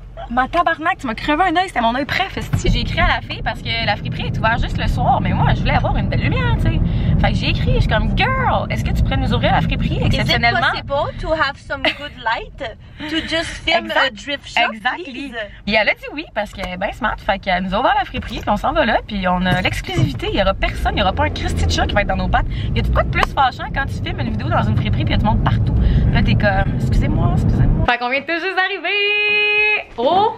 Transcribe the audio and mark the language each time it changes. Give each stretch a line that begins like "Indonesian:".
French: Ma tabarnak, tu m'as crevé un œil, c'était mon œil préf. Si j'ai écrit à la fille parce que la friperie est ouverte juste le soir, mais moi je voulais avoir une belle lumière, tu sais. Fait que j'ai écrit, je suis comme girl, est-ce que tu pourrais nous ouvrir la friperie exceptionnellement?
English: Is it possible to have some good light to just film a drift shop? Exactly.
French: Et elle a dit oui parce qu'elle est bien smart, fait qu'elle nous a ouvert la friperie, puis on s'en va là, puis on a l'exclusivité, il y aura personne, il y aura pas un Christy de chat qui va être dans nos pattes. Il y a tout quoi de plus fâchant quand tu filmes une vidéo dans une friperie puis il y a du monde partout. Là t'es comme excusez-moi, excusez-moi. Fait qu'on vient tout juste d'arriver. Oh!